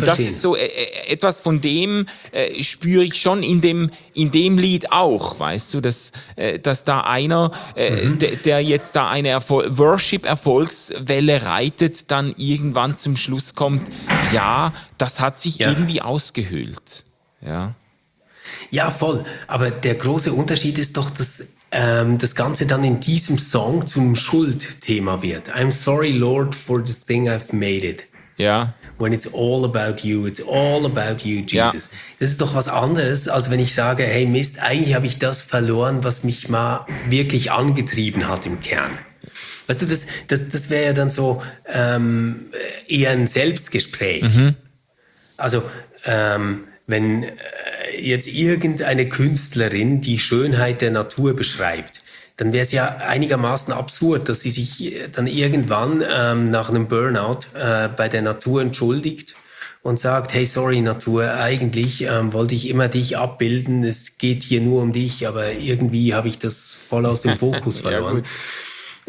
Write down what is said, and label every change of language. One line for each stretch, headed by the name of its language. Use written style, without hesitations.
German: Und das ist so etwas von dem spüre ich schon in dem Lied auch, weißt du, dass da einer, der jetzt da eine Worship-Erfolgswelle reitet, dann irgendwann zum Schluss kommt, ja, das hat sich irgendwie ausgehöhlt. Ja. Ja, voll. Aber der große Unterschied ist doch, dass das Ganze dann in diesem Song zum Schuldthema wird.
English: I'm sorry, Lord, for the thing I've made it.
German: Ja.
English: When it's all about you, Jesus.
German: Ja. Das ist doch was anderes, als wenn ich sage, hey Mist, eigentlich habe ich das verloren, was mich mal wirklich angetrieben hat im Kern. Weißt du, das wäre ja dann so eher ein Selbstgespräch. Mhm. Also wenn jetzt irgendeine Künstlerin die Schönheit der Natur beschreibt, dann wäre es ja einigermaßen absurd, dass sie sich dann irgendwann nach einem Burnout bei der Natur entschuldigt und sagt, hey, sorry Natur, eigentlich wollte ich immer dich abbilden, es geht hier nur um dich, aber irgendwie habe ich das voll aus dem Fokus verloren. Ja,